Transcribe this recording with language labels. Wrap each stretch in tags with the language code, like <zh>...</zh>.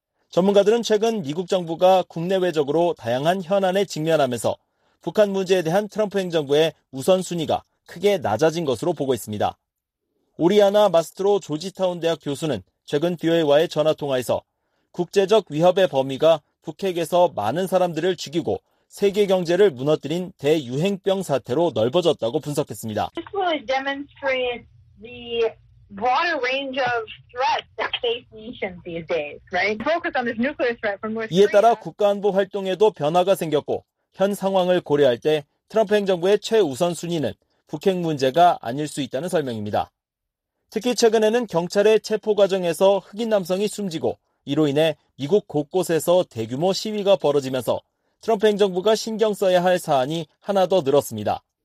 <ko>전문가들은 최근 미국 정부가 국내외적으로 다양한 현안에 직면하면서 북한 문제에 대한 트럼프 행정부의 우선순위가 크게 낮아진 것으로 보고 있습니다. 오리아나 마스트로 조지타운 대학 교수는 최근 BOA와의 전화통화에서 국제적 위협의 범위가 북핵에서 많은 사람들을 죽이고 세계 경제를 무너뜨린 대유행병 사태로 넓어졌다고 분석했습니다.</ko> <en>This will demonstrate the broader range of threats that face nations these days, right? Focus on this nuclear threat from North Korea.</en> <ko>이에 따라 국가안보 활동에도 변화가 생겼고 현 상황을 고려할 때 트럼프 행정부의 최우선 순위는 북핵 문제가 아닐 수 있다는 설명입니다. 특히 최근에는 경찰의 체포 과정에서 흑인 남성이 숨지고 이로 인해 미국 곳곳에서 대규모 시위가 벌어지면서 트럼프 행정부가 신경 써야 할 사안이 하나 더 늘었습니다.</ko>